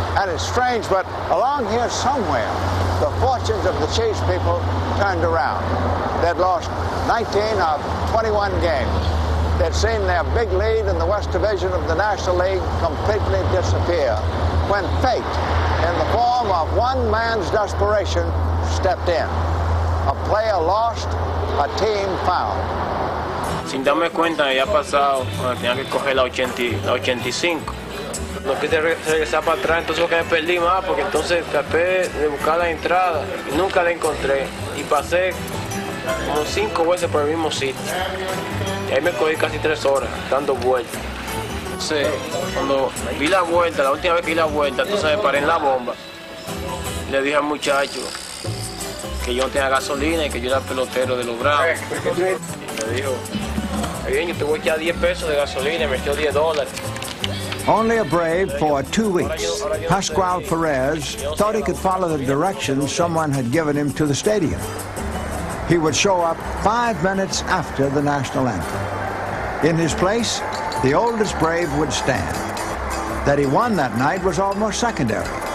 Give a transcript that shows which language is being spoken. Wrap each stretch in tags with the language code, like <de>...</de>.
<en>And it's strange, but along here somewhere, the fortunes of the Chiefs people turned around. They'd lost 19 of 21 games. that seen their big lead in the West Division of the National League completely disappear when fate, in the form of one man's desperation, stepped in. A player lost, a team found.</en> <es>Sin darme cuenta, ya pasado, bueno, tenía que coger la 85. No quise regresar para atrás, entonces lo que me perdí más, porque entonces traté de buscar la entrada y nunca la encontré. Y pasé como 5 veces por el mismo sitio. Y ahí me cogí casi 3 horas dando vueltas. Entonces, cuando vi la vuelta, la última vez que vi la vuelta, entonces me paré en la bomba. Y le dije al muchacho que yo no tenía gasolina y que yo era pelotero de los Bravos. Y me dijo, bien, yo te voy a echar 10 pesos de gasolina y me echó $10.</es> <en>Only a Brave for 2 weeks, Pascual Perez thought he could follow the directions someone had given him to the stadium. He would show up 5 minutes after the national anthem. In his place, the oldest Brave would stand. That he won that night was almost secondary.</en>